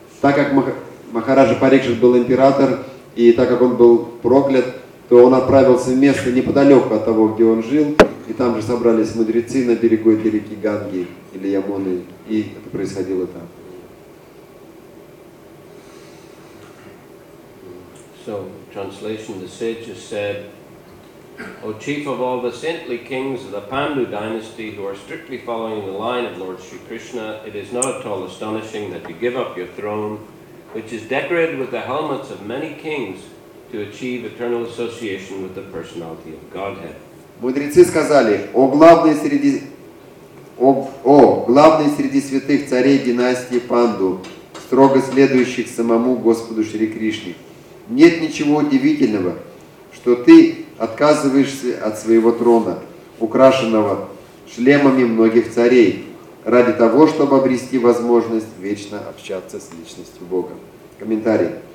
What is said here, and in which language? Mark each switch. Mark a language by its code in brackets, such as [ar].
[ru] Так как Махараджа Парикшит был император, и так как он был проклят, то он отправился в место неподалеку от того, где он жил, и там же собрались мудрецы на берегу этой реки Ганги или Ямуны, и это происходило там. [en] So, translation: the sages said, O chief of all the saintly kings of the Pandu dynasty who are strictly following the line of Lord Sri Krishna, it is not at all astonishing that you give up your throne, which is decorated with the helmets of many kings, to achieve eternal association with the personality of Godhead. [ru] Мудрецы сказали, о главный среди святых царей династии Панду, строго следующих самому Господу Шри Кришне, нет ничего удивительного, что ты отказываешься от своего трона, украшенного шлемами многих царей, ради того, чтобы обрести возможность вечно общаться с личностью Бога. Комментарий.